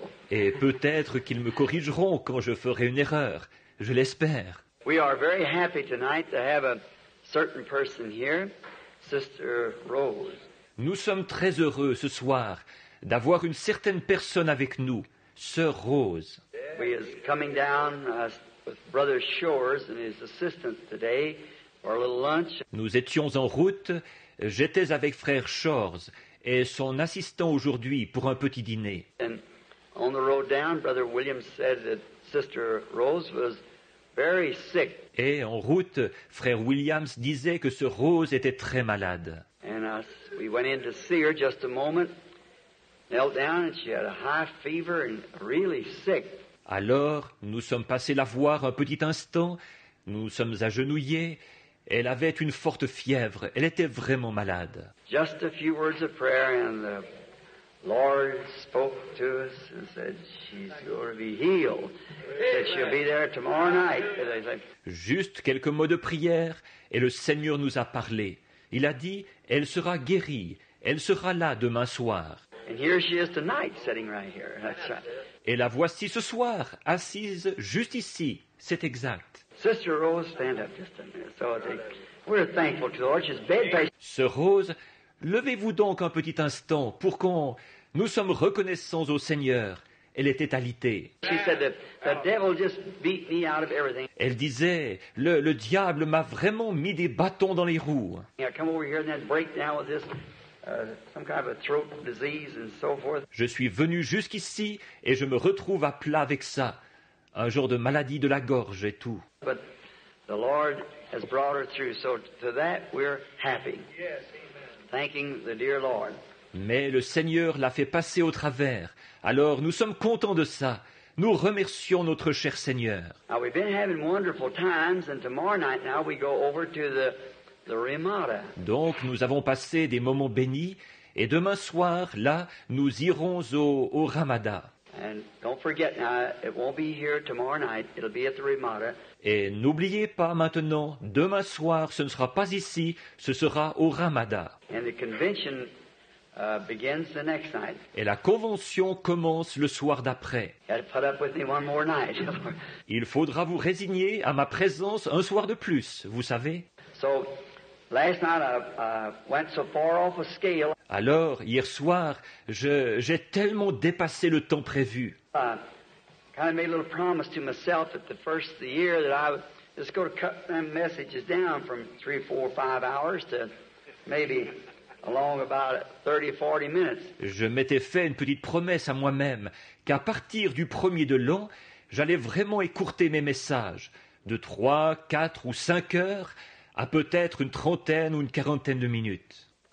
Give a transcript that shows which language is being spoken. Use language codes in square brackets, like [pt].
[fr] Et peut-être qu'ils me corrigeront quand je ferai une erreur. Je l'espère. [en] We are very happy tonight to have a certain person here, Sister Rose. [fr] Nous sommes très heureux ce soir d'avoir une certaine personne avec nous, Sœur Rose. [en] We is coming down with Brother Shores and his assistant today for a little lunch. [fr] Nous étions en route. J'étais avec frère Shores et son assistant aujourd'hui pour un petit dîner. [en] And on the road down, Brother William said that Sister Rose was very sick. [fr] Et en route, frère Williams disait que ce Rose était très malade. [en] And we went in to see her just a moment, knelt down, and she had a high fever and really sick. [fr] Alors, nous sommes passés la voir un petit instant, nous sommes agenouillés, elle avait une forte fièvre, elle était vraiment malade. [en] Just a few words of prayer and the Lord spoke to us and said she's going to be healed, that she'll be there tomorrow night. [fr] Juste quelques mots de prière et le Seigneur nous a parlé. Il a dit, elle sera guérie, elle sera là demain soir. [en] And here she is tonight, sitting right here. That's right. [fr] Et la voici ce soir, assise juste ici. C'est exact. [en] Sister Rose, stand up just a minute. So we're thankful to the Lord. She's bed-based. [fr] Sœur Rose, levez-vous donc un petit instant pour qu'on... Nous sommes reconnaissants au Seigneur. Elle était alitée. [en] She said that the devil just beat me out of everything. [fr] Elle disait, le diable m'a vraiment mis des bâtons dans les roues. [en] Yeah, come over here and then break down with this... some kind of a throat disease and so forth. [fr] Je suis venu jusqu'ici et je me retrouve à plat avec ça, un genre de maladie de la gorge et tout. [en] But the Lord has brought her through, so to that we're happy. Yes, amen. Thanking the dear Lord. [fr] Mais le Seigneur l'a fait passer au travers. Alors nous sommes contents de ça. Nous remercions notre cher Seigneur. [en] Now we've been having wonderful times, and tomorrow night now we go over to the Ramada. [fr] Donc, nous avons passé des moments bénis, et demain soir, là, nous irons au Ramada. [en] And don't forget now, it won't be here tomorrow night, it'll be at the Ramada. [fr] Et n'oubliez pas maintenant, demain soir, ce ne sera pas ici, ce sera au Ramada. [en] And the convention begins the next night. [fr] Et la convention commence le soir d'après. [en] You gotta put up with me one more night. [fr] Il faudra vous résigner à ma présence un soir de plus, vous savez. [en] So, last night I went so far off a scale. [fr] Alors, hier soir, j'ai tellement dépassé le temps prévu. [en] Kind of made a little promise to myself at the first of the year that I was just going to cut them messages down from 3, 4, 5 hours to maybe along about 30-40 minutes. [fr] Je m'étais fait une petite promesse à moi-même qu'à partir du premier de l'an, j'allais vraiment écourter mes messages de 3, 4 ou 5 heures à peut-être une trentaine ou une quarantaine de minutes.